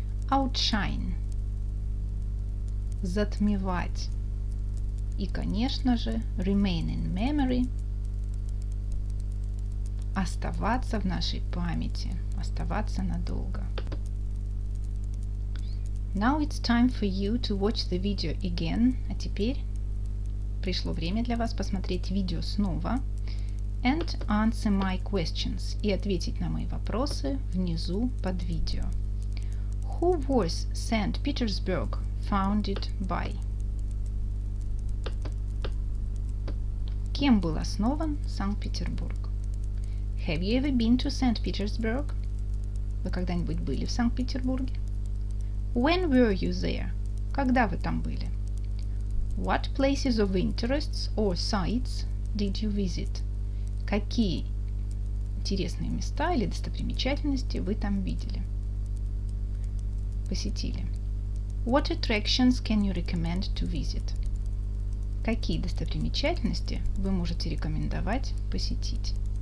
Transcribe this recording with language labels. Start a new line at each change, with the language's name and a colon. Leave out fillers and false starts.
English: Outshine.
Russian: Затмевать. И, конечно же,
English: remain in memory.
Russian: Оставаться в нашей памяти. Оставаться надолго.
English: Now it's time for you to watch the video again.
Russian: А теперь пришло время для вас посмотреть видео снова.
English: And answer my questions.
Russian: И ответить на мои вопросы внизу под видео.
English: Who was St.Petersburg founded by?
Russian: Кем был основан Санкт-Петербург?
English: Have you ever been to St. Petersburg?
Russian: Вы когда-нибудь были в Санкт-Петербурге?
English: When were you there?
Russian: Когда вы там были?
English: What places of interest or sites did you visit?
Russian: Какие интересные места или достопримечательности вы там видели? Посетили.
English: What attractions can you recommend to visit?
Russian: Какие достопримечательности вы можете рекомендовать посетить?